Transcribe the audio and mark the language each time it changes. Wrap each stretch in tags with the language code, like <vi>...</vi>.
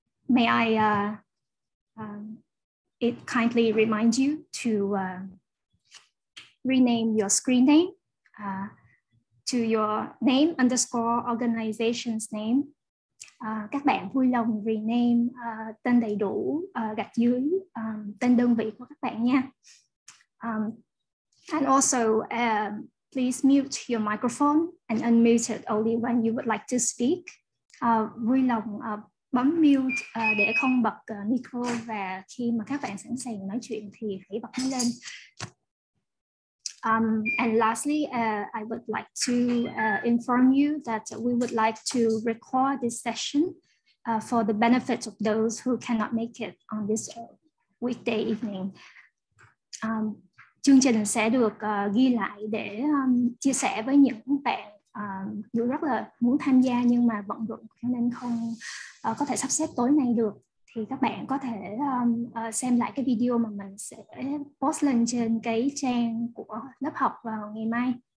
<en>May I kindly remind you to rename your screen name to your name underscore organization's name.</en> <vi>Các bạn vui lòng rename tên đầy đủ gạch dưới tên đơn vị của các bạn nha.</vi> <en>And also, please mute your microphone and unmute it only when you would like to speak.</en> <vi>Vui lòng bấm mute để không bật micro, và khi mà các bạn sẵn sàng nói chuyện thì hãy bật nó lên.</vi> <en>And lastly, I would like to inform you that we would like to record this session for the benefit of those who cannot make it on this weekday evening.</en> <vi>Chương trình sẽ được ghi lại để chia sẻ với những bạn dù rất là muốn tham gia nhưng mà bận rộn nên không có thể sắp xếp tối nay được, thì các bạn có thể xem lại cái video mà mình sẽ post lên trên cái trang của lớp học vào ngày mai.</vi>